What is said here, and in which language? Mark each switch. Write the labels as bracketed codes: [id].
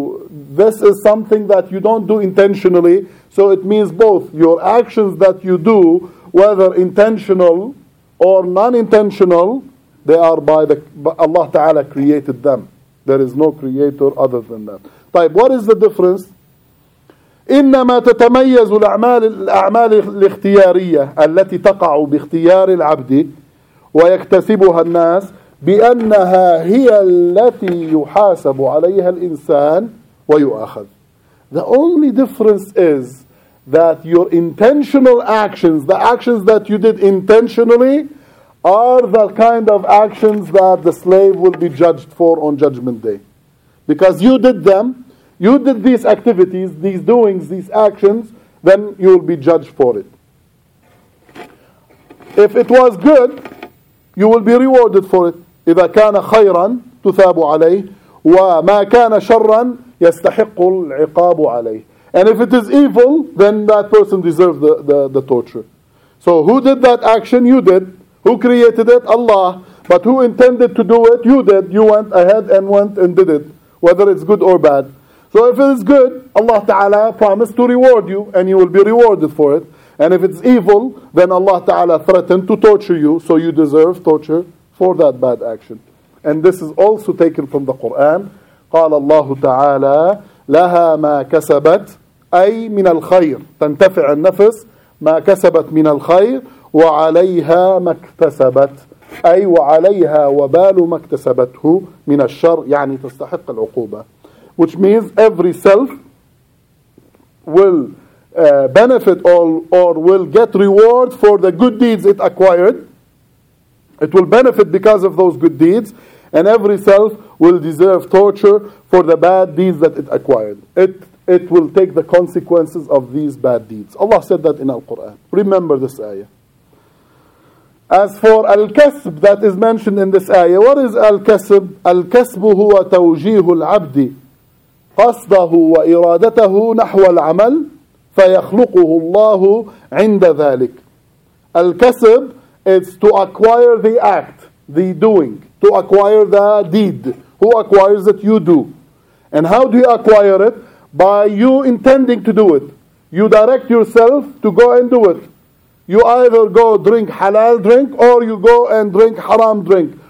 [en] This is something that you don't do intentionally, so it means both your actions that you do, whether intentional or non-intentional, they are by Allah Ta'ala created them. There is no creator other than that. طيب, what is the difference? [ar] إنما تتميز الأعمال الاختيارية التي تقع باختيار العبد ويكتسبها الناس بأنها هي التي يحاسب عليها الإنسان ويؤاخذ. [en] The only difference is that your intentional actions, the actions that you did intentionally, are the kind of actions that the slave will be judged for on Judgment Day. Because you did them, you did these activities, these doings, these actions, then you will be judged for it. If it was good, you will be rewarded for it. [ar] إذا كان خيرا تثاب عليه وما كان شرا يستحق العقاب عليه. [en] And if it is evil, then that person deserves the torture. So who did that action? You did. Who created it? Allah. But who intended to do it? You did. You went ahead and went and did it, whether it's good or bad. So if it is good, Allah Ta'ala promised to reward you, and you will be rewarded for it. And if it's evil, then Allah Ta'ala threatened to torture you, so you deserve torture for that bad action. And this is also taken from the Quran. [ar] قال الله تعالى لها ما كسبت أي من الخير تنتفع النفس ما كسبت من الخير وعليها ما اكتسبت أي وعليها وبال ما اكتسبته من الشر يعني تستحق العقوبة. [en] Which means every self will benefit or will get reward for the good deeds it acquired. It will benefit because of those good deeds. And every self will deserve torture for the bad deeds that it acquired. It will take the consequences of these bad deeds. Allah said that in Al-Quran. Remember this ayah. As for Al-Kasb that is mentioned in this ayah, what is Al-Kasb? [ar] Al-Kasb huwa tawjihu al-abdi. قصده وإرادته نحو العمل فيخلقه الله عند ذلك. [en] الكسب is to acquire the act, the doing, to acquire the deed. Who acquires it? You do. And how do you acquire it? By you intending to do it. You direct yourself to go and do it. You either go drink halal drink or you go and drink haram drink.